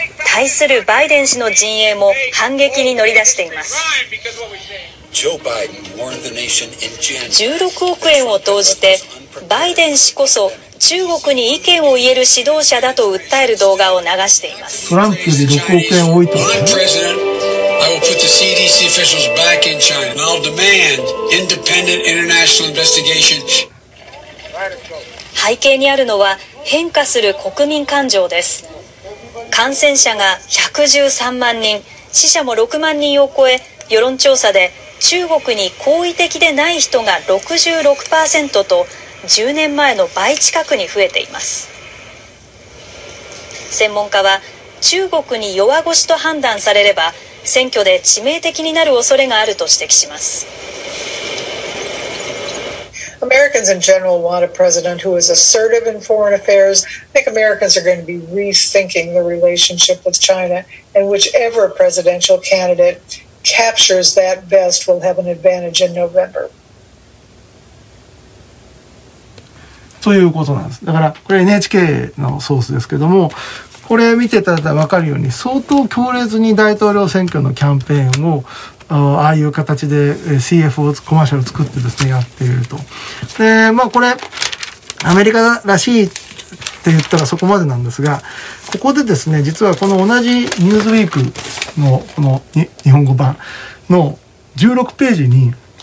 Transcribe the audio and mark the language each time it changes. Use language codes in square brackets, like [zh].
[ja] 対するバイデン氏の陣営も反撃に乗り出しています。 16億円を投じてバイデン氏こそ中国に意見を言える指導者だと訴える動画を流しています。トランプで6億円多いと。 [en] I will put the CDC officials back in China and I'll demand independent international investigation. [ja] 背景にあるのは変化する国民感情です。感染者が113万人、死者も6万人を超え、世論調査で中国に好意的でない人が 66% と10年前の倍近くに増えています。専門家は中国に弱腰と判断されれば選挙で致命的になる恐れがあると指摘します。 [en] Americans in general want a president who is assertive in foreign affairs. I think Americans are going to be rethinking the relationship with China, and whichever presidential candidate captures that best will have an advantage in November. [ja] ということなんです。だからこれ NHK のソースですけれども、これ見ていただいたら分かるように相当強烈に大統領選挙のキャンペーンをああいう形で CFO コマーシャル作ってですね、やっていると。で、まあこれ、アメリカらしいって言ったらそこまでなんですが、ここでですね、実はこの同じニューズウィークのこの日本語版の16ページに、